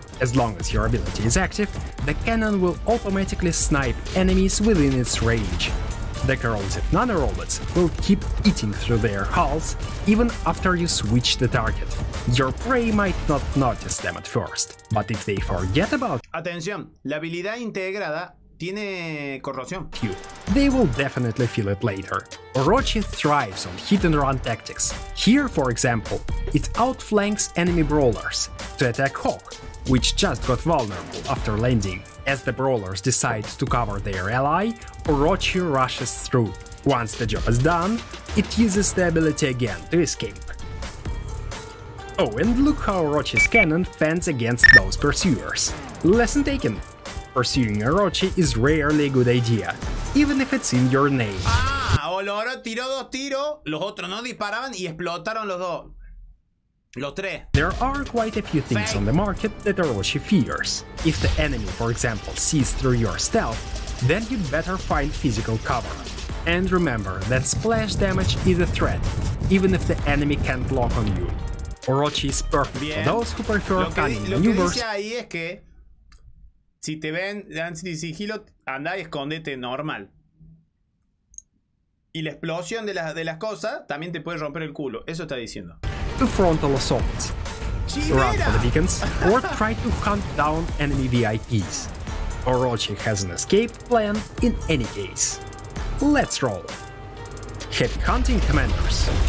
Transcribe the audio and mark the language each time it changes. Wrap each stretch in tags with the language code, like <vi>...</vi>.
<en>As long as your ability is active, the cannon will automatically snipe enemies within its range. The corrosive nanorobots will keep eating through their hulls even after you switch the target. Your prey might not notice them at first, but if they forget about you,</en> <es>atención, la habilidad integrada tiene corrosión.</es> <en>They will definitely feel it later. Orochi thrives on hit and run tactics. Here, for example, it outflanks enemy brawlers to attack Hawk, which just got vulnerable after landing. As the brawlers decide to cover their ally, Orochi rushes through. Once the job is done, it uses the ability again to escape. Oh, and look how Orochi's cannon fends against those pursuers. Lesson taken. Pursuing Orochi is rarely a good idea, even if it's in your name.</en> <es>Ah, Oloro tiró dos tiros, los otros no disparaban y explotaron los dos. Los tres.</es> <en>There are quite a few things on the market that Orochi fears. If the enemy, for example, sees through your stealth, then you'd better find physical cover. And remember that splash damage is a threat, even if the enemy can't lock on you. Orochi is perfect</en> <es>Bien.</es> <en>For those who prefer cunning maneuvers.</en> <es>Lo que dice ahí es que si te ven, dan sigilo, anda y escóndete normal. Y la explosión de las cosas también te puede romper el culo. Eso está diciendo.</es> <en>To frontal assaults, run for the beacons, or try to hunt down enemy VIPs. Orochi has an escape plan in any case. Let's roll. Happy hunting, commanders.</en>